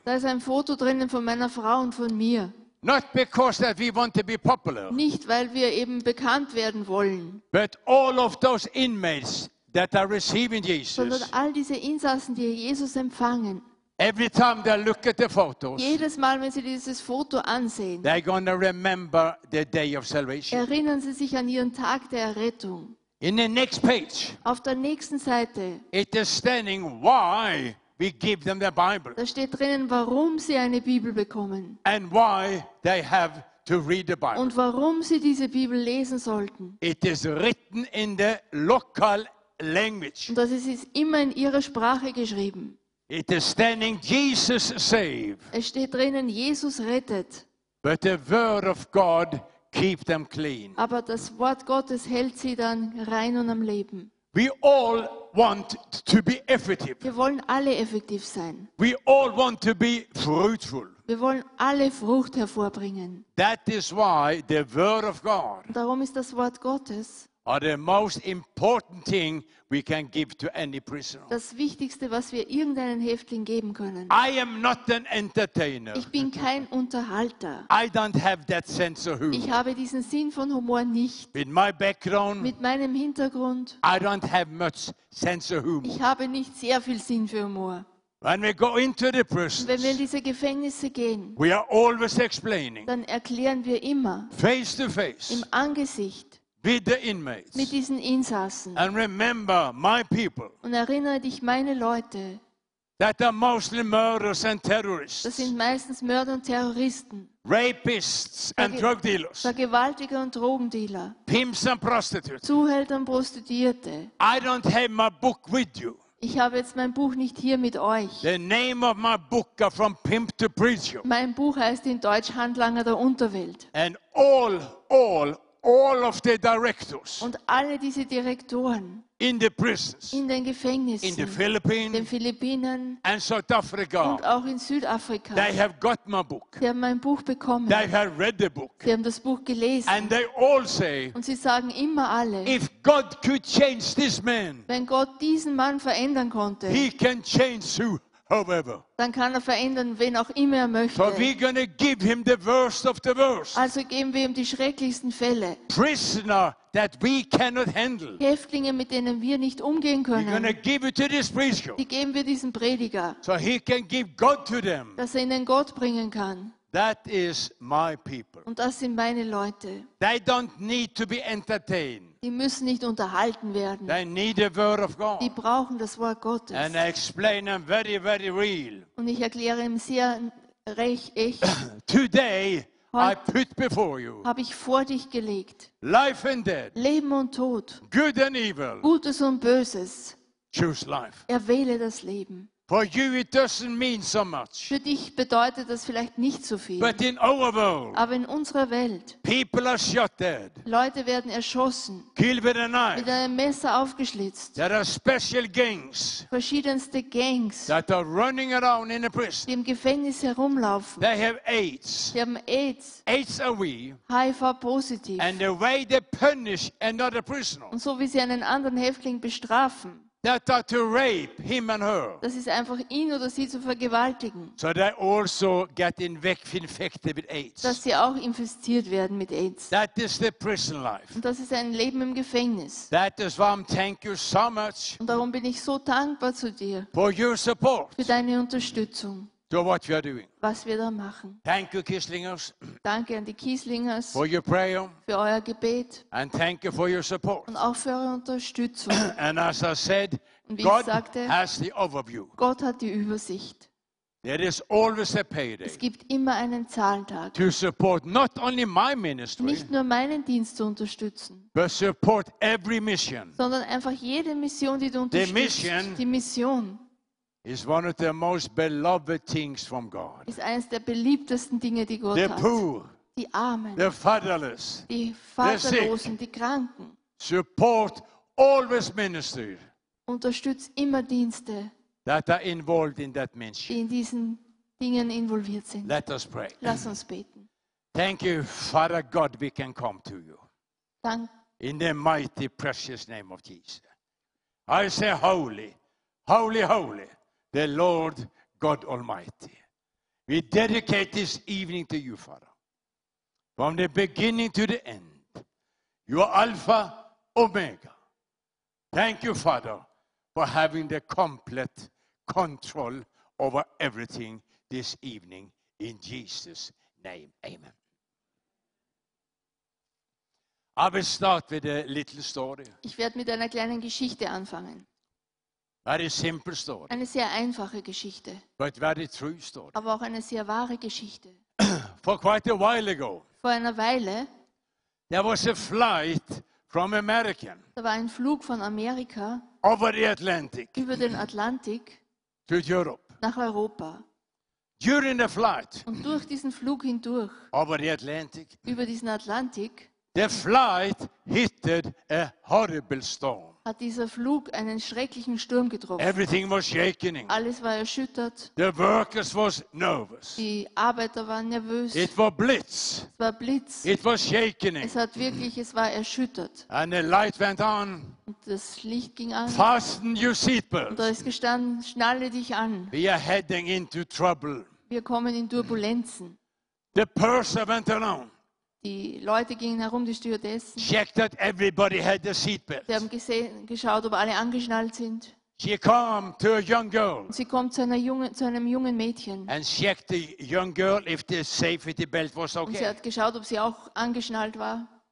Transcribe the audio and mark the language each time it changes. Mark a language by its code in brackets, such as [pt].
[de] Da ist ein Foto drinnen von meiner Frau und von mir. [en] Not because that we want to be popular. [de] Nicht weil wir eben bekannt werden wollen. [en] But all of those inmates that are receiving Jesus. [de] Sondern all diese Insassen, die Jesus empfangen. [en] Every time they look at the photos, [de] jedes Mal, wenn sie dieses Foto ansehen, [en] they're gonna remember the day of salvation. [de] Erinnern sie sich an ihren Tag der Errettung. [en] In the next page, [de] auf der nächsten Seite, [en] it is standing why we give them the Bible. [de] Da steht drinnen, warum sie eine Bibel bekommen. [en] And why they have to read the Bible. [de] Und warum sie diese Bibel lesen sollten. [en] It is written in the local language. [de] Und das ist immer in ihrer Sprache geschrieben. [en] It is standing Jesus save. [de] Es steht drinnen, Jesus rettet. [en] But the word of God keep them clean. [de] Aber das Wort Gottes hält sie dann rein und am Leben. [en] We all want to be effective. [de] Wir wollen alle effektiv sein. [en] We all want to be fruitful. [de] Wir wollen alle Frucht hervorbringen. [en] That is why the word of God. [de] Darum ist das Wort Gottes. [en] Are the most important thing we can give to any prisoner. [de] Das Wichtigste, was wir irgendeinen Häftling geben können. [en] I am not an entertainer. [de] Ich bin kein Unterhalter. [en] I don't have that sense of humor. [de] Ich habe diesen Sinn von Humor nicht. [en] With my background, [de] mit meinem Hintergrund, [en] I don't have much sense of humor. [de] Ich habe nicht sehr viel Sinn für Humor. [en] When we go into the prisons, [de] wenn wir in diese Gefängnisse gehen, [en] we are always explaining, [de] dann erklären wir immer, [en] face to face, [de] im Angesicht, [en] with the inmates. [de] Mit diesen Insassen. [en] And remember my people. [de] Und erinnere dich meine Leute. [en] That are mostly murderers and terrorists. [de] Das sind meistens Mörder und Terroristen. [en] Rapists and drug dealers. [de] Vergewaltiger und Drogendealer. [en] Pimps and prostitutes. [de] Zuhälter und Prostituierte. [en] I don't have my book with you. [de] Ich habe jetzt mein Buch nicht hier mit euch. [en] The name of my book are From Pimp to Preacher. [de] Mein Buch heißt in Deutsch Handlanger der Unterwelt. [en] And all of the directors. [de] Und alle diese Direktoren. [en] In the prisons. [de] In den Gefängnissen. [en] In the Philippines. [de] Den Philippinen. [en] And South Africa. [de] Und auch in Südafrika. [en] They have got my book. [de] Sie haben mein Buch bekommen. [en] They have read the book. [de] Sie haben das Buch gelesen. [en] And they all say. [de] Und sie sagen immer alle. [en] If God could change this man. [de] Wenn Gott diesen Mann verändern konnte. [en] He can change who. However, [de] dann kann er verändern, wen auch immer er möchte. [en] So we're gonna give him the worst of the worst. [de] Also geben wir ihm die schrecklichsten Fälle. [en] Prisoner that we cannot handle. [de] Häftlinge, mit denen wir nicht umgehen können. [en] We're gonna give it to this preacher. [de] Die geben wir diesem Prediger. [en] So he can give God to them. [de] Dass er ihnen Gott bringen kann. [en] That is my people. [de] Und das sind meine Leute. [en] They don't need to be entertained. [de] Die müssen nicht unterhalten werden. [en] They need the word of God. [de] Die brauchen das Wort Gottes. [en] And I explain them very, very real. [de] Und ich erkläre ihm sehr recht echt. [en] Today I put before you. [de] Habe ich vor dich gelegt. [en] Life and death. [de] Leben und Tod. [en] Good and evil. [de] Gutes und Böses. [en] Choose life. [de] Erwähle das Leben. [en] For you it doesn't mean so much. [de] Für dich bedeutet das vielleicht nicht so viel. [en] But in our world, [de] aber in unserer Welt, [en] people are shot dead. [de] Leute werden erschossen, [en] killed with a knife. [de] Mit einem Messer aufgeschlitzt. [en] There are special gangs, [de] verschiedenste Gangs, [en] that are running around in a prison. [de] Die im Gefängnis herumlaufen. [en] They have AIDS. [de] Sie haben AIDS. [en] AIDS are we, [de] HIV positive. [en] And the way they punish another prisoner. [de] Und so wie sie einen anderen Häftling bestrafen. [en] That are to rape him and her. [de] Das ist einfach ihn oder sie zu vergewaltigen. [en] So they also get infected with AIDS. [de] Dass sie auch infiziert werden mit AIDS. [en] That is the prison life. [de] Und das ist ein Leben im Gefängnis. [en] That is why I'm thank you so much. [de] Und darum bin ich so dankbar zu dir. [en] For your support. [de] Für deine Unterstützung. [en] To what we are doing. [de] Was wir da machen. [en] Thank you, Kieslingers. [de] Danke an die Kieslingers. [en] For your prayer. [de] Für euer Gebet. [en] And thank you for your support. [de] Und auch für eure Unterstützung. [en] And as I said, [de] und wie God ich sagte, [en] has the overview. [de] Gott hat die Übersicht. [en] There is always a payday. [de] Es gibt immer einen Zahlentag. [en] To support not only my ministry, [de] nicht nur meinen Dienst zu unterstützen, [en] but support every mission. [de] Sondern einfach jede Mission, die du unterstützt. Die Mission. [en] Is one of the most beloved things from God. [de] Ist eines der beliebtesten Dinge, die Gott hat. [en] The poor, [de] die Armen, [en] the fatherless, [de] die Vaterlosen, die Kranken. [en] Support always ministers. [de] Unterstützt immer Dienste. [en] That are involved in that ministry. [de] Die in diesen Dingen involviert sind. [en] Let us pray. [de] Lass uns beten. [en] Thank you, Father God, we can come to you. [de] Dank. [en] In the mighty, precious name of Jesus, I say holy. Holy, holy, the Lord God Almighty. We dedicate this evening to you, Father. From the beginning to the end, you are Alpha, Omega. Thank you, Father, for having the complete control over everything this evening. In Jesus' name, amen. I will start with a little story. [de] Ich werde mit einer kleinen Geschichte anfangen. [en] Very simple story. [de] Eine sehr einfache Geschichte. [en] But very true story. [de] Aber auch eine sehr wahre Geschichte. [en] For quite a while ago. [de] Vor einer Weile. [en] There was a flight from America. [de] Da war ein Flug von Amerika. [en] Over the Atlantic. [de] Über den Atlantik. [en] To Europe. [de] Nach Europa. [en] During the flight. [de] Und durch diesen Flug hindurch. [en] Over the Atlantic. [de] Über diesen Atlantik. [en] The flight hit a horrible storm. [de] Hat dieser Flug einen schrecklichen Sturm getroffen. [en] Everything was shaking. [de] Alles war erschüttert. [en] The workers was nervous. [de] Die Arbeiter waren nervös. [en] It was blitz. [de] Es war Blitz. [en] It was shaking. [de] Es war erschüttert. [en] And the light went on. [de] Und das Licht ging an. [en] Fasten your seatbelts. [de] Und da ist gestanden, schnalle dich an. [en] We are heading into trouble. [de] Wir kommen in Turbulenzen. [en] The purser went around. [de] Die Leute gingen herum, die Stewardessen. [en] Checked that everybody had the seatbelt. [de] Sie haben geschaut, ob alle angeschnallt sind. [en] She came to a young girl. [de] Sie kommt zu einem jungen Mädchen. [en] And checked the young girl if the safety belt was okay. [de] Und sie hat geschaut, ob sie auch angeschnallt war.